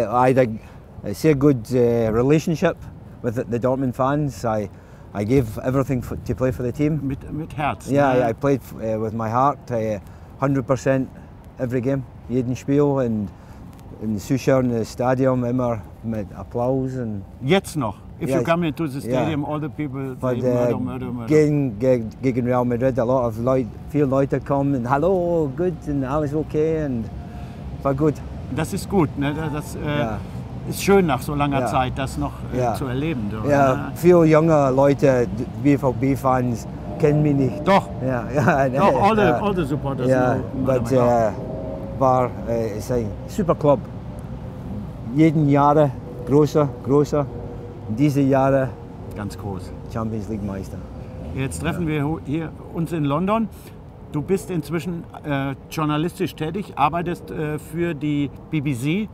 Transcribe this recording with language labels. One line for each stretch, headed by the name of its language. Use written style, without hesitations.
English: I had a
German: sehr
English: good relationship with the Dortmund fans. I gave everything to play for the team.
German: Mit Herz.
English: Yeah, I played with my heart 100% every game.
German: jeden Spiel und den Zuschauern im Stadion immer mit Applaus. Und jetzt noch?
English: If you come into the stadium, all the people, they murder.
German: Gegen Real Madrid,
English: a lot of
German: viele Leute kommen und hallo, gut, und alles okay, und war gut. Das ist gut, ne? Das ist schön nach so langer Zeit, das noch zu erleben. Ja, yeah. Viele junge Leute, BVB-Fans, kennen mich nicht.
English: Doch, all the supporters.
German: Ja, aber es war ein super Club. Jeden Jahr größer. Diese Jahre ganz groß. Champions League Meister. Jetzt treffen wir hier uns in London. Du bist inzwischen journalistisch tätig, arbeitest für die BBC.